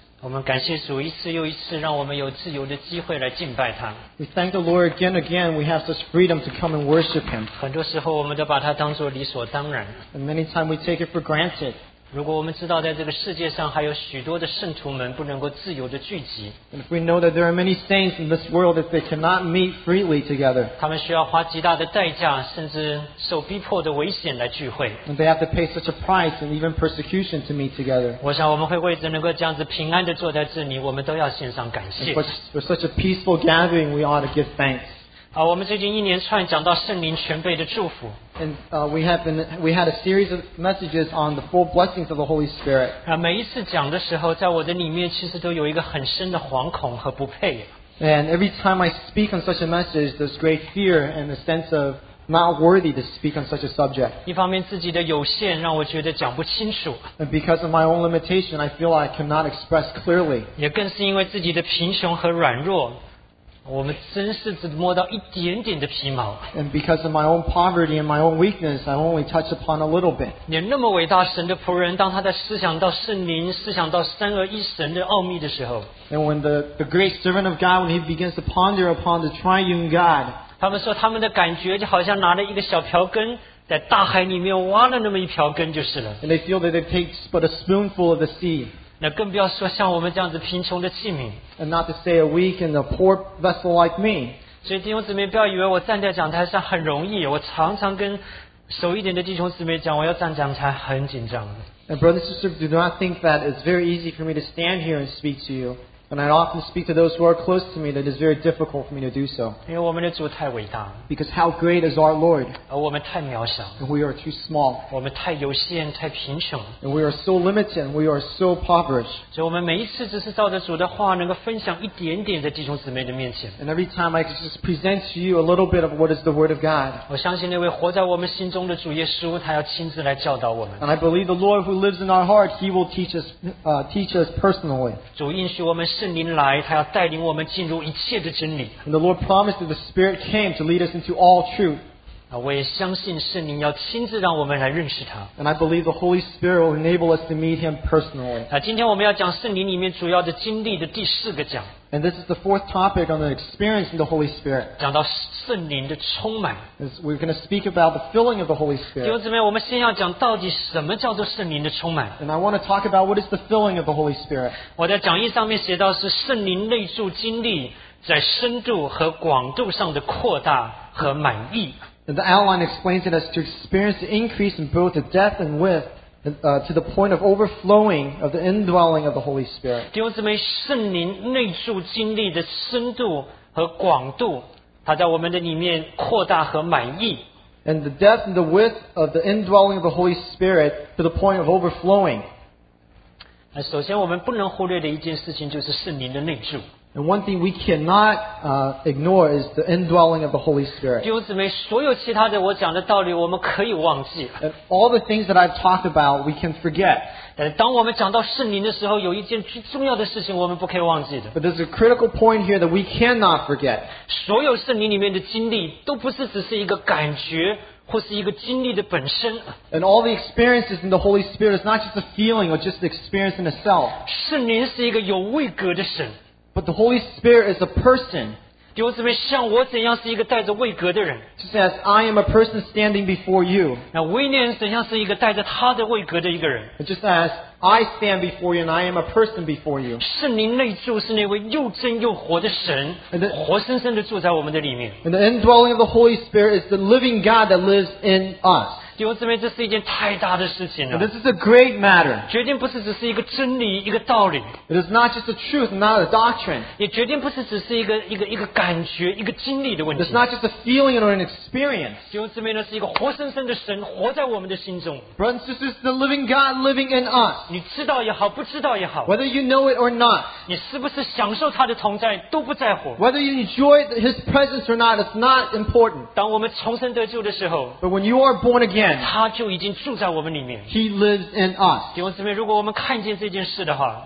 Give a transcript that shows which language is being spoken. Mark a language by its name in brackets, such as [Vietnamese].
[Chinese] 我们感谢主，一次又一次让我们有自由的机会来敬拜他。 [English] We thank the Lord again and again. We have such freedom to come and worship Him. [Chinese] 很多时候我们都把它当作理所当然。 [English] And many times we take it for granted. [Chinese] 如果我们知道在这个世界上还有许多的圣徒们不能够自由的聚集。 [English] And if we know that there are many saints in this world that they cannot meet freely together. [Chinese] 他们需要花极大的代价，甚至受逼迫的危险来聚会。 [English] And they have to pay such a price and even persecution to meet together. [Chinese] 我想我们会为着能够这样子平安的坐在这里，我们都要献上感谢。 [English] For such a peaceful gathering, we ought to give thanks. [Chinese] 我们最近一连串讲到圣灵全备的祝福。 [English] And we had a series of messages on the four blessings of the Holy Spirit. [Chinese] 每一次讲的时候，在我的里面其实都有一个很深的惶恐和不配。 [English] And every time I speak on such a message, there's great fear and a sense of not worthy to speak on such a subject. [Chinese] 一方面自己的有限让我觉得讲不清楚。 [English] And because of my own limitation, I feel I cannot express clearly. [Chinese] 也更是因为自己的贫穷和软弱。我们真是只摸到一点点的皮毛。 [English] And because of my own poverty and my own weakness, I only touch upon a little bit. [Chinese] 连那么伟大神的仆人，当他在思想到圣灵、思想到三而一神的奥秘的时候 [English] ，And when the great servant of God, when he begins to ponder upon the triune God, [Chinese] 他们说他们的感觉就好像拿了一个小瓢羹，在大海里面挖了那么一瓢羹就是了。 [English] And they feel that they take but a spoonful of the sea. [Chinese] 那更不要说像我们这样子贫穷的器皿。 [English] And not to say a weak and a poor vessel like me. [Chinese] 所以弟兄姊妹，不要以为我站在讲台上很容易。我常常跟熟一点的弟兄姊妹讲，我要站讲台很紧张的。 [English] And brothers and sisters, do not think that it's very easy for me to stand here and speak to you. And I often speak to those who are close to me that it's very difficult for me to do so. [Chinese] 因为我们的主太伟大。 [English] Because how great is our Lord? [Chinese] 而我们太渺小。 [English] And we are too small. [Chinese] 我们太有限，太贫穷。 [English] And we are so limited, and we are so impoverished. [Chinese] 所以我们每一次只是照着主的话，能够分享一点点在弟兄姊妹的面前。 [English] And every time I just present to you a little bit of what is the Word of God. [Chinese] 我相信那位活在我们心中的主耶稣，他要亲自来教导我们。 [English] And I believe the Lord who lives in our heart, He will teach us personally. [Chinese] 主应许我们圣灵来，他要带领我们进入一切的真理。 [English] And the Lord promised that the Spirit came to lead us into all truth. [Chinese] 我也相信圣灵要亲自让我们来认识他。 [English] And I believe the Holy Spirit will enable us to meet Him personally. [Chinese] 今天我们要讲圣灵里面主要的经历的第四个讲。 [English] And this is the fourth topic on the experience of the Holy Spirit. [Chinese] 讲到圣灵的充满。 [English] We're going to speak about the filling of the Holy Spirit. [Chinese] 弟兄姊妹，我们先要讲到底什么叫做圣灵的充满。 [English] And I want to talk about what is the filling of the Holy Spirit. [Chinese] 我在讲义上面写到是圣灵内住经历在深度和广度上的扩大和满意。 [English] And the outline explains it as to experience the increase in both the depth and width. To the point of overflowing of the indwelling of the Holy Spirit. [Chinese] 弟兄姊妹，圣灵内住经历的深度和广度，它在我们的里面扩大和满意。 [English] And the depth and the width of the indwelling of the Holy Spirit to the point of overflowing. [Chinese] 首先我们不能忽略的一件事情就是圣灵的内住。 [English] And one thing we cannot ignore is the indwelling of the Holy Spirit. [Chinese] 弟兄姊妹，所有其他的我讲的道理我们可以忘记。 [English] And all the things that I've talked about, we can forget. [Chinese] 但当我们讲到圣灵的时候，有一件最重要的事情我们不可以忘记的。 [English] But there's a critical point here that we cannot forget. [Chinese] 所有圣灵里面的经历都不是只是一个感觉或是一个经历的本身。 [English] And all the experiences in the Holy Spirit is not just a feeling or just the experience in itself. [Chinese] 圣灵是一个有位格的神。 [English] But the Holy Spirit is a person. [Chinese] 弟兄姊妹，像我怎样是一个带着位格的人？ [English] Just as I am a person standing before you. [Chinese] 那 William 怎样是一个带着他的位格的一个人？ [English] Just as I stand before you and I am a person before you. [Chinese] 圣灵内住是那位又真又活的神，活生生的住在我们的里面。 [English] And the indwelling of the Holy Spirit is the living God that lives in us. [Chinese] 弟兄姊妹，这是一件太大的事情了。 [English] And、this is a great matter. [Chinese] 决定不是只是一个真理，一个道理。 [English] It is not just a truth, not a doctrine. [Chinese] 也决定不是只是一个感觉，一个经历的问题。 [English] It's not just a feeling or an experience. [Chinese] 弟兄姊妹，那是一个活生生的神活在我们的心中。 [English] Brothers and sisters, the living God living in us. [Chinese] 你知道也好，不知道也好。 [English] Whether you know it or not. [Chinese] 你是不是享受他的同在都不在乎。 [English] Whether you enjoy His presence or not, it's not important. [Chinese] 当我们重生得救的时候。 [English] But when you are born again. in. [Chinese] 他就已经住在我们里面。 [English] He lives in us. [Chinese] 弟兄姊妹，如果我们看见这件事的话